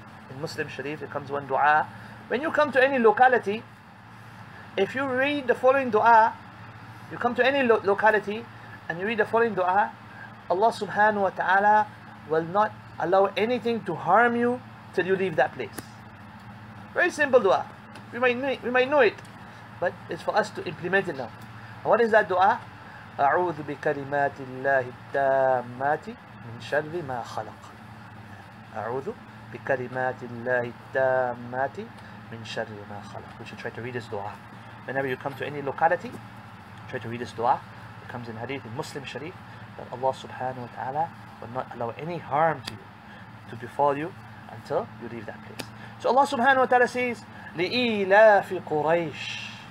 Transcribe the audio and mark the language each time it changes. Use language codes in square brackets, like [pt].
[en] In Muslim Sharif, it comes one dua. When you come to any locality, if you read the following dua, you come to any locality and you read the following dua, Allah subhanahu wa ta'ala will not allow anything to harm you till you leave that place. Very simple dua. We might know it, but it's for us to implement it now. And what is that dua? [ar] أعوذ بكلمات الله التامات من شر ما خلق. أعوذ بكلمات الله التامات من شر ما خلق. [en] We should try to read this dua. Whenever you come to any locality, try to read this dua. It comes in hadith in Muslim Sharif that Allah subhanahu wa ta'ala will not allow any harm to you, to befall you until you leave that place. So Allah subhanahu wa ta'ala says, [ar] لِإِلَافِ قُرَيْشِ.